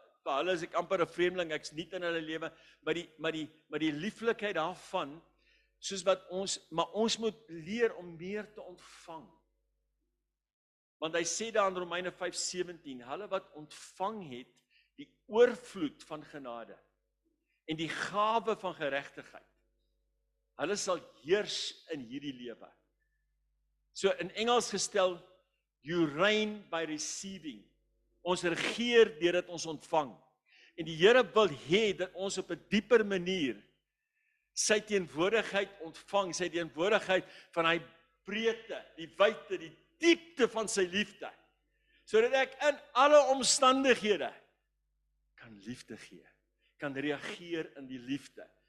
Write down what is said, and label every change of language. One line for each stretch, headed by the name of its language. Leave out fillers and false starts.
Afrikaans: As ek amper 'n vreemdeling, ek's nie in hulle lewe, maar die lieflikheid daarvan soos wat ons, maar ons moet leer om meer te ontvang. Want hy sê daar in Romeine 5:17, hulle wat ontvang het die oorvloed van genade en die gawe van geregtigheid, hulle sal heers in hierdie lewe. So in Engels gestel,
English: you reign by receiving.
Afrikaans: Ons regeer deurdat ons ontvang. En die Here wil hê dat ons op 'n dieper manier sy teenwoordigheid ontvang, sy teenwoordigheid van hy breedte, die wyte, die diepte van sy liefde, sodat ek in alle omstandighede kan liefde gee, kan reageer in die liefde.